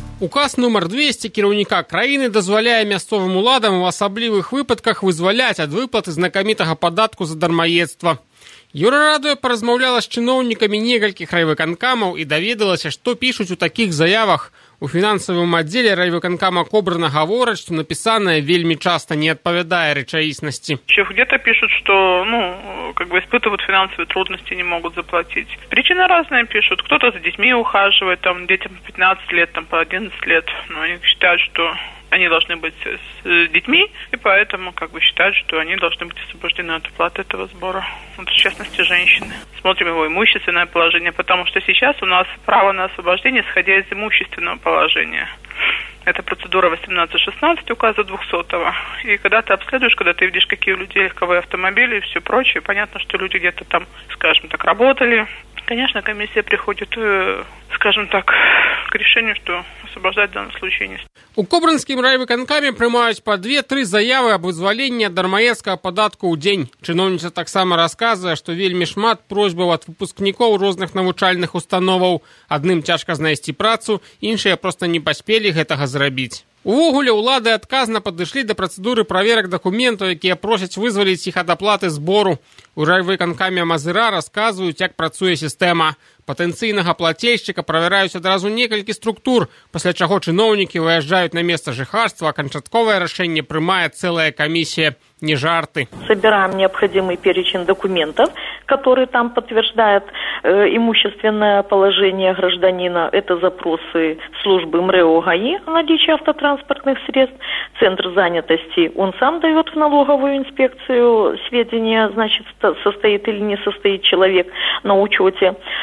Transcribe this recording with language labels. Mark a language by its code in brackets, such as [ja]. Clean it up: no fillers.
[be] Указ номер 200 кіраўніка краіны дазваляе мясцовым уладам у асаблівых выпадках вызваляць ад выплаты знакамітага падатку за дармаедства. Еўрарадыё паразмаўляла з чыноўнікамі некалькіх райвыканкамаў і даведалася, што пішуць у такіх заявах. У фінансавым аддзеле райвыканкама Кобрына гавораць, што напісанае вельмі часта не адпавядае рэчаіснасці. [ru] Ще где-то пишуть, что, ну, как бы испытывают финансовые трудности, не могут заплатить. Причины разные пишут. Кто-то за детьми ухаживает, там, детям по 15 лет, там, по 11 лет. Но они считают, что они должны быть с детьми, и поэтому как бы считают, что они должны быть освобождены от уплаты этого сбора. Вот, в частности, женщины. Смотрим его имущественное положение, потому что сейчас у нас право на освобождение, исходя из имущественного положения. Это процедура 18-16 указа 200-го. И когда ты обследуешь, когда ты видишь, какие у людей легковые автомобили и все прочее, понятно, что люди где-то там, скажем так, работали. Конечно, комиссия приходит, скажем так, к решению, что освобождать в данном случае не стоит. [be] У Кобрынскім райвыканкамі прымаюць па 2-3 заявы аб вызваленні дармаедскага падатку ў дзень. Чыноўніца таксама расказвае, што вельмі шмат просьбаў ад выпускнікоў розных навучальных установаў. Адным цяжка знайсці працу, іншыя проста не паспелі гэтага зрабіць. Увогуле ўлады адказна падышлі да працэдуры праверак дакументаў, якія просяць вызваліць іх ад аплаты збору. У райвыканкамі Мазыра расказваюць, як працуе сістэма. Патэнцыйнага плацельшчыка правяраюць адразу некалькі структур, пасля чаго чыноўнікі выязджаюць на месца жыхарства, а канчатковае рашэнне прымае цэлая камісія. Не жарты. [ru] Собираем необходимый перечень документов, который там подтверждает имущественное положение гражданина. Это запросы службы МРЭО ГАИ о наличии автотранспортных средств, центр занятости. Он сам дает в налоговую инспекцию сведения, значит, состоит или не состоит человек на учете.